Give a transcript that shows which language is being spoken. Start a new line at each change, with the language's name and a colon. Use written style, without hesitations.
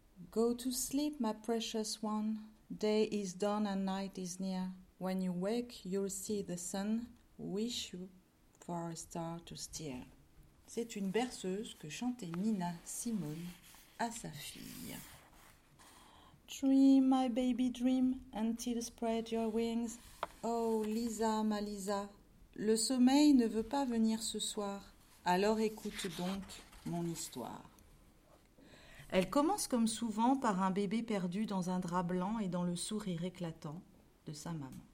English: Go to sleep, my precious one. Day is done and night is near. When you wake, you'll see the sun wish you for a star to steer.
French: C'est une berceuse que chantait Nina Simone à sa fille.
English: Dream, my baby, dream, until spread your wings.
French: Oh, Lisa, ma Lisa, le sommeil ne veut pas venir ce soir. Alors écoute donc mon histoire. Elle commence comme souvent par un bébé perdu dans un drap blanc et dans le sourire éclatant de sa maman.